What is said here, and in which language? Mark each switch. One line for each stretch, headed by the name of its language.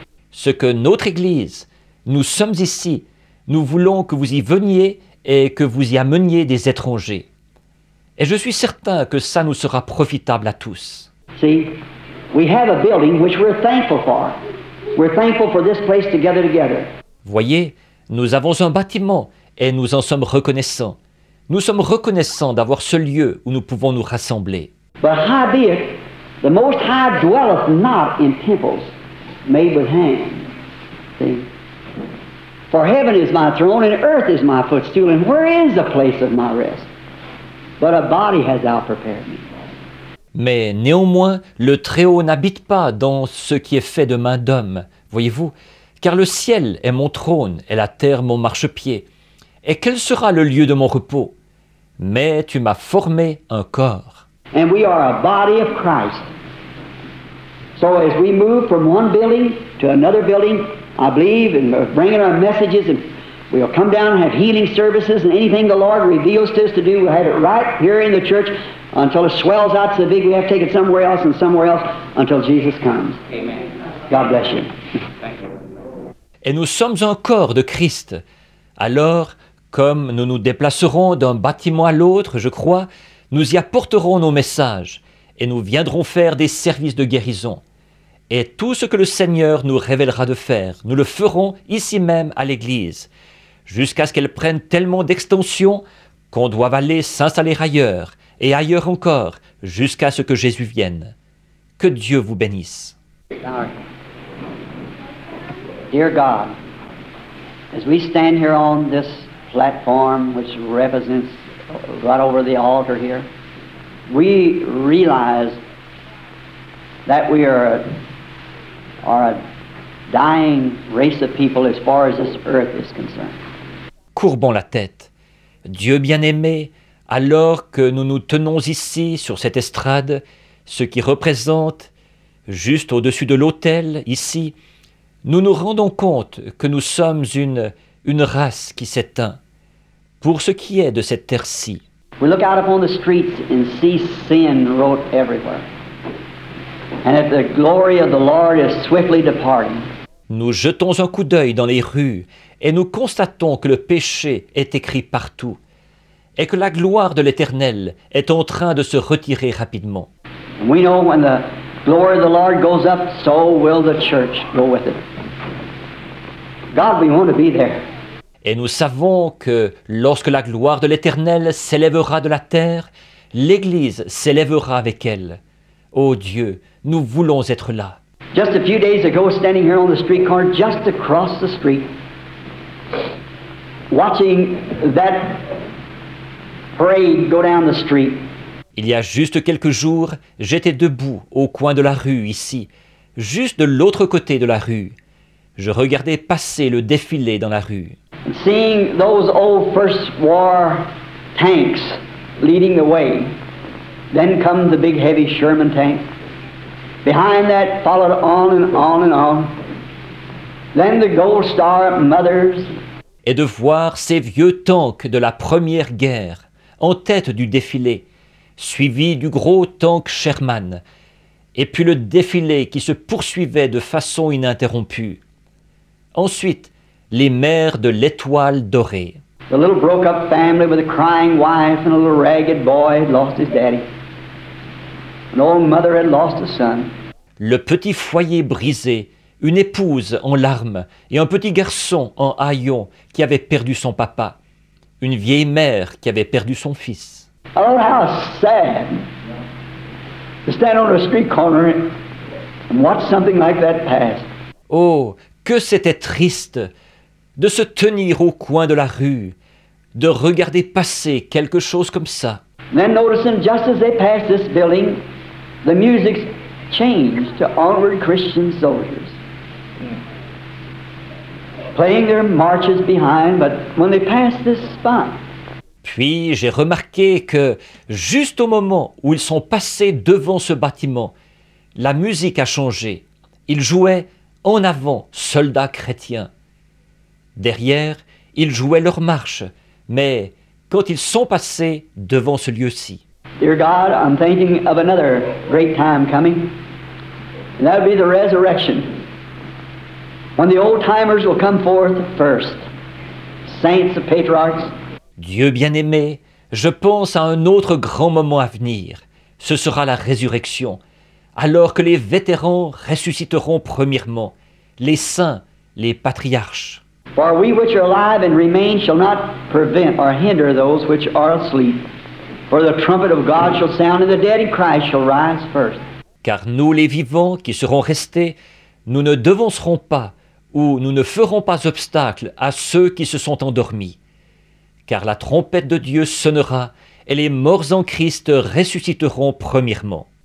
French: Ce que notre Église, nous sommes ici, nous voulons que vous y veniez et que vous y ameniez des étrangers. Et je suis certain que ça nous sera profitable à tous.
English: See, we have a building which we're thankful for. We're thankful for this place together together.
French: Voyez, nous avons un bâtiment et nous en sommes reconnaissants. Nous sommes reconnaissants d'avoir ce lieu où nous pouvons nous rassembler.
English: But howbeit, the Most High dwelleth not in temples made with hands. See, for heaven is my throne and earth is my footstool. And where is the place of my rest? But a body has outprepared me.
French: Mais néanmoins, le Très-Haut n'habite pas dans ce qui est fait de main d'homme, voyez-vous, car le ciel est mon trône et la terre mon marchepied. Et quel sera le lieu de mon repos? Mais tu m'as formé un corps.
English: And we are a body of Christ. So as we move from one building to another building, I believe, and bringing our messages and We'll come down and have healing services, and anything the Lord reveals to us to do, we'll have it right here in the church until it swells out so big we have to take it somewhere else and somewhere else until Jesus comes. Amen. God bless you. Thank you.
French: Et nous sommes un corps de Christ. Alors, comme nous nous déplacerons d'un bâtiment à l'autre, je crois, nous y apporterons nos messages et nous viendrons faire des services de guérison. Et tout ce que le Seigneur nous révélera de faire, nous le ferons ici même à l'Église, jusqu'à ce qu'elle prenne tellement d'extension qu'on doive aller s'installer ailleurs, et ailleurs encore, jusqu'à ce que Jésus vienne. Que Dieu vous bénisse.
English: Dear God, as we stand here on this platform which represents right over the altar here, we realize that we are a dying race of people as far as this earth is concerned.
French: Courbons la tête. Dieu bien-aimé, alors que nous nous tenons ici sur cette estrade, ce qui représente juste au-dessus de l'autel ici, nous nous rendons compte que nous sommes une race qui s'éteint. Pour ce qui est de cette terre-ci,
English: we look out upon the streets and see sin wrote everywhere. And that the glory of the Lord is swiftly departing.
French: Nous jetons un coup d'œil dans les rues et nous constatons que le péché est écrit partout et que la gloire de l'Éternel est en train de se retirer rapidement.
English: We know when the glory of the Lord goes up, so will the church go with it. God, we want to be there.
French: Et nous savons que lorsque la gloire de l'Éternel s'élèvera de la terre, l'Église s'élèvera avec elle. Ô Dieu, nous voulons être là.
English: Just a few days ago, standing here on the street corner, just across the street, watching that parade go down the street.
French: Il y a juste quelques jours, j'étais debout au coin de la rue ici, juste de l'autre côté de la rue. Je regardais passer le défilé dans la rue.
English: Seeing those old First War tanks leading the way, then come the big heavy Sherman tank. Behind that followed on and on and on. Then the Gold Star mothers.
French: Et de voir ces vieux tanks de la Première Guerre en tête du défilé, suivi du gros tank Sherman, et puis le défilé qui se poursuivait de façon ininterrompue. Ensuite, les mères de l'étoile dorée.
English: The little broke-up family with a crying wife and a little ragged boy had lost his daddy. An old mother had lost a son.
French: Le petit foyer brisé, une épouse en larmes et un petit garçon en haillons qui avait perdu son papa. Une vieille mère qui avait perdu son fils.
English: Oh, how sad to stand on a street corner and watch something like that pass.
French: Oh, que c'était triste de se tenir au coin de la rue, de regarder passer quelque chose comme ça.
English: Then noticing just as they passed this building, the music changed to Onward Christian Soldiers, playing their marches behind, but when they passed this spot.
French: Puis j'ai remarqué que juste au moment où ils sont passés devant ce bâtiment, la musique a changé. Ils jouaient En avant, soldats chrétiens. Derrière, ils jouaient leur marche, mais quand ils sont passés devant ce lieu-ci.
English: Dear God, I'm thinking of another great time coming. And that'll be the resurrection. When the old timers will come forth first. Saints and patriarchs.
French: Dieu bien-aimé, je pense à un autre grand moment à venir. Ce sera la résurrection. Alors que les vétérans ressusciteront premièrement, les saints, les patriarches.
English: For we which are alive and remain shall not prevent or hinder those which are asleep. For the trumpet of God shall sound, and the dead in Christ shall rise first.
French: Car nous, les vivants qui serons restés, nous ne devancerons pas ou nous ne ferons pas obstacle à ceux qui se sont endormis. Car la trompette de Dieu sonnera et les morts en Christ ressusciteront premièrement.